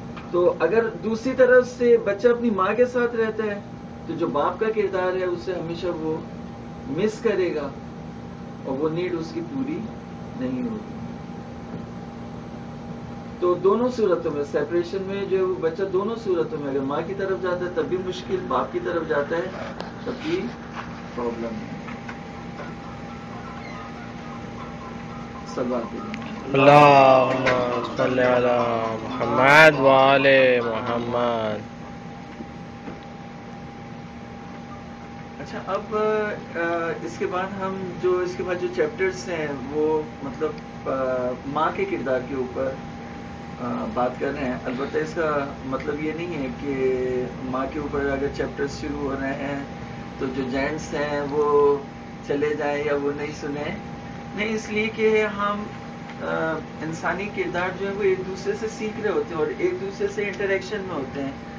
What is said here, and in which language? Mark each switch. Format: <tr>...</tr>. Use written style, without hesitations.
<ur>تو اگر دوسری طرف سے بچہ اپنی ماں کے ساتھ رہتا ہے تو جو باپ کا کردار ہے اسے ہمیشہ وہ مس کرے گا اور وہ نیڈ اس کی پوری نہیں ہوگی. تو دونوں صورتوں میں, سیپریشن میں جو ہے بچہ دونوں صورتوں میں, اگر ماں کی طرف جاتا ہے تب بھی مشکل, باپ کی طرف جاتا ہے تب بھی پرابلم ہے.</ur> <ar>اللهم صل على محمد وآل محمد.</ar> <ur>اچھا اب اس کے بعد ہم جو اس کے بعد جو چیپٹرز ہیں وہ مطلب ماں کے کردار کے اوپر بات کر رہے ہیں. البتہ اس کا مطلب یہ نہیں ہے کہ ماں کے اوپر اگر چیپٹرز شروع ہو رہے ہیں تو جو جینٹس ہیں وہ چلے جائیں یا وہ نہیں سنیں, نہیں, اس لیے کہ ہم انسانی کردار جو ہے وہ ایک دوسرے سے سیکھ رہے ہوتے ہیں اور ایک دوسرے سے انٹریکشن میں ہوتے ہیں.</ur>